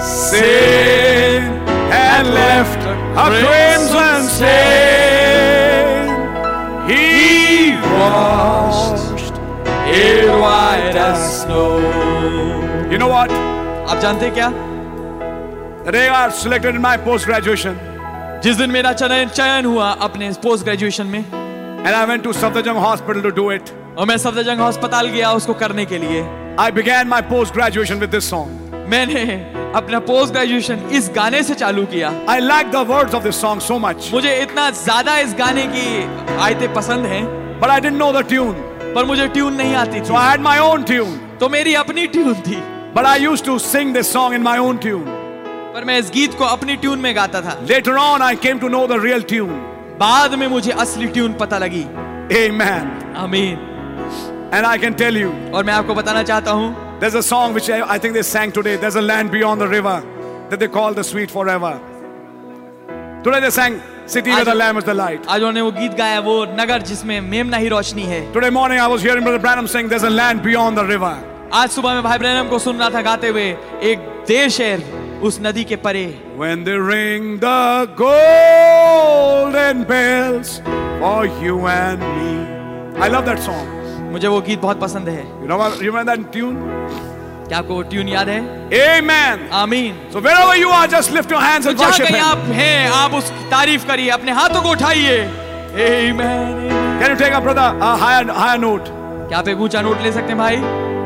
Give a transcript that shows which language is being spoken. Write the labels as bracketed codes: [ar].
[en] Sin had left a crimson stain. He washed it white as snow. You know what? [hi] आप जानते क्या? [en] They are selected in my post graduation. [hi] जिस दिन मेरा चयन हुआ अपने post graduation में. [en] And I went to Safdarjung Hospital to do it. [hi] और मैं सफदरजंग अस्पताल गया उसको करने के लिए. [en] I began my post graduation with this song. [hi] मैंने अपना पोस्ट ग्रेजुएशन इस गाने से चालू किया. [en] I like the words of this song so much. [hi] मुझे इतना ज़्यादा इस गाने की आयतें पसंद हैं. [en] But I didn't know the tune. [hi] पर मुझे ट्यून नहीं आती थी. [en] So I had my own tune. [hi] तो मेरी अपनी ट्यून थी. [en] But I used to sing this song in my own tune. [hi] पर मैं इस गीत को अपनी ट्यून में गाता था. [en] Later on, I came to know the real tune. [hi] बाद में मुझे असली ट्यून पता लगी. [en] Amen. [hi] आमीन. [en] And I can tell you. [hi] और मैं आपको बताना चाहता हूँ. [en] There's a song which I think they sang today. There's a land beyond the river that they call the sweet forever. Today they sang city where the lamb is the light. [hi] आज उन्होंने वो गीत गाया वो नगर जिसमें मेमना ही रोशनी है. [en] Today morning I was hearing Brother Branham saying there's a land beyond the river. [hi] आज सुबह मैं भाई ब्रैनम को सुन रहा था गाते हुए एक देश है उस नदी के परे. [en] When they ring the golden bells for you and me. I love that song. [hi] मुझे वो गीत बहुत पसंद है. [en] You know, remember that tune? [hi] क्या आपको वो ट्यून याद है? [en] Amen. [hi] आमीन. [en] So wherever you are, just lift your hands and worship him. [hi] जहाँ कहीं आप हैं, आप उस तारीफ करिए, अपने हाथों को उठाइए. [en] Amen. Can you take a brother a higher note? [hi] क्या आप एक ऊंचा नोट ले सकते हैं भाई?